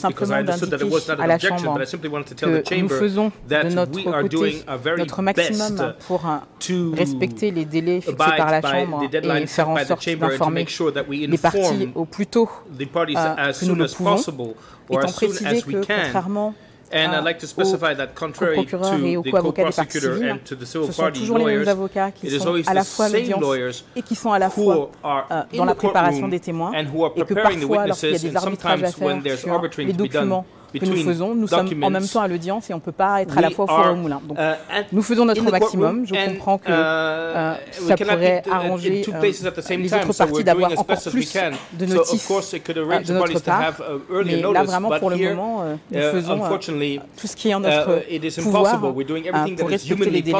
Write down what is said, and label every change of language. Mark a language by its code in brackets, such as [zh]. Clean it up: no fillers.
[en] because I understood that it was not an objection, but I simply wanted to tell the chamber that we are doing our very best to [fr] respecter les délais fixés par la chambre et faire en sorte d'informer les parties au plus tôt que nous le pouvons, étant précisé que, contrairement [en] And I'd like to specify that contrary to the co-prosecutor and to the civil party lawyers, it is always the same lawyers who are in the courtroom and who are preparing the witnesses, and sometimes when there's arbitrating to be done [fr] que nous faisons, nous sommes en même temps à l'audience et on ne peut pas être à la fois au four et au moulin. Donc, nous faisons notre maximum. Je comprends que ça pourrait arranger les autres parties d'avoir encore plus de notifs de notre part. Mais là, vraiment, pour le moment, nous faisons tout ce qui est en notre pouvoir pour respecter les délais.